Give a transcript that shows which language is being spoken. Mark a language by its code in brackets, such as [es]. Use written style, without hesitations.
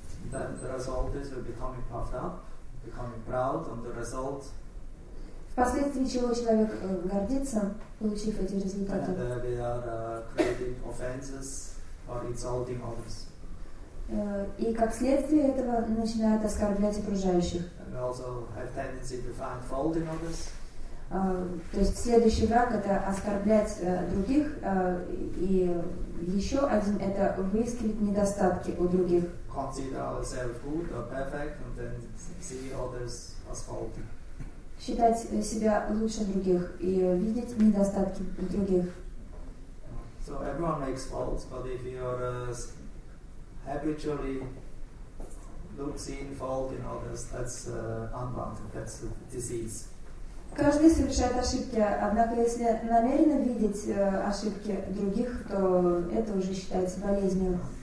[en] Then the result is we're becoming puffed up, becoming proud on the result. [ru] Впоследствии чего человек гордится, получив эти результаты. [en] And we are creating offenses or insulting others. [ru] И как следствие этого начинает оскорблять окружающих. [en] And we also have tendency to find fault in others. [ru] То есть следующий враг — это оскорблять других, и еще один — это выискивать недостатки у других. [en] Consider ourselves good or perfect and then see others as faulty. [ru] Считать себя лучше других и видеть недостатки других. [en] So everyone makes faults, but if you are habitually seeing fault in others, that's unwanted, that's a disease. [ru] Каждый совершает ошибки, однако если намеренно видеть ошибки других, то это уже считается болезнью.